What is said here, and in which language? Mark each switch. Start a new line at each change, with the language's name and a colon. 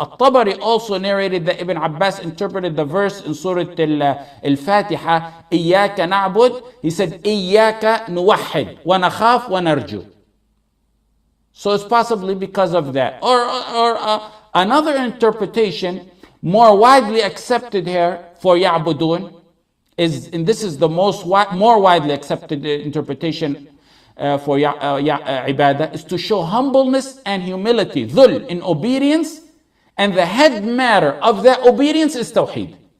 English: الطبري also narrated that Ibn Abbas interpreted the verse in Surah الفاتحة
Arabic: إياك نعبد.
English: He said
Arabic: إياك نوحد ونخاف ونرجو.
English: So it's possibly because of that. Another interpretation more widely accepted here for يعبدون is, and this is the most more widely accepted interpretation for ibadah, is to show humbleness and humility, dhul, in obedience, and the head matter of that obedience is tawheed.